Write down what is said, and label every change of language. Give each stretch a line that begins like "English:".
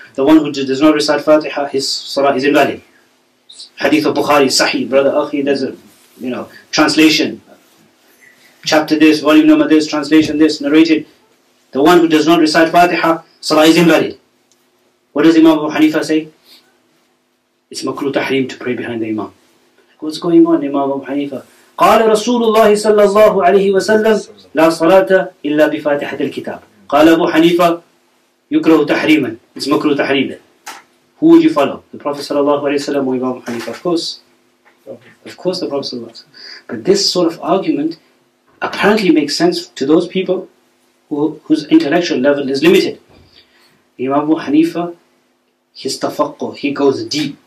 English: The one who does not recite Fatiha, his salah is invalid. Hadith of Bukhari, Sahih, brother Akhi, there's a, you know, translation. Chapter this, volume number this, translation this, narrated. The one who does not recite Fatiha, salah is invalid. What does Imam Abu Hanifa say? It's makruh tahrim to pray behind the Imam. What's going on, Imam Abu Hanifa?
Arabic: قال رسول الله صلى الله عليه وسلم لا صلاة إلا بفاتحة الكتاب. قال Abu Hanifa, يكره تحريما.
English: It's makruh tahrim. Who would you follow? The Prophet صلى الله عليه وسلم or Imam Abu Hanifa? Of course. Of course the Prophet صلى الله عليه وسلم. But this sort of argument apparently makes sense to those people whose intellectual level is limited. Imam Abu Hanifa, his tafaqquh, he goes deep.